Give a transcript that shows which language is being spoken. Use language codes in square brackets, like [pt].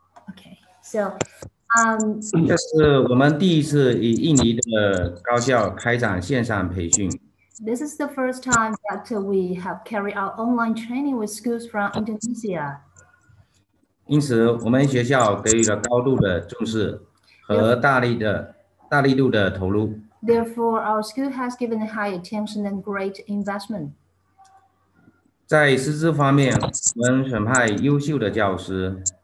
[en] Okay, so. This is the first time that we have carried out online training with schools from Indonesia. [zh] 因此我们学校给予了高度的重视和大力度的投入。 [en] Therefore, our school has given high attention and great investment. [zh] 在师资方面,我们选派优秀的教师。